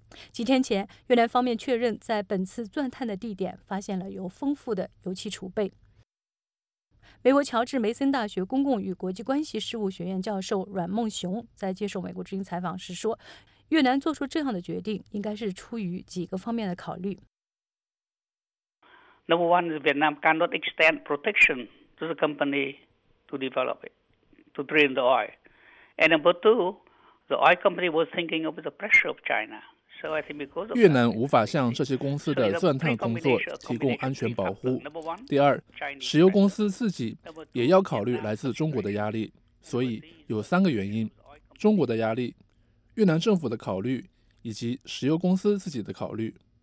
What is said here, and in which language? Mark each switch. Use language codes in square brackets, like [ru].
[zh] 几天前，越南方面确认在本次钻探的地点发现了有丰富的油气储备。美国乔治梅森大学公共与国际关系事务学院教授阮梦雄在接受美国之音采访时说，越南做出这样的决定应该是出于几个方面的考虑。 [en] Number one is Vietnam cannot extend protection to the company to develop it, to drain the oil. And number two, the oil company was thinking of the pressure of China. So I think because of that, [zh] 越南无法向这些公司的钻探工作提供安全保护。第二，石油公司自己也要考虑来自中国的压力，所以有三个原因：中国的压力、越南政府的考虑，以及石油公司自己的考虑。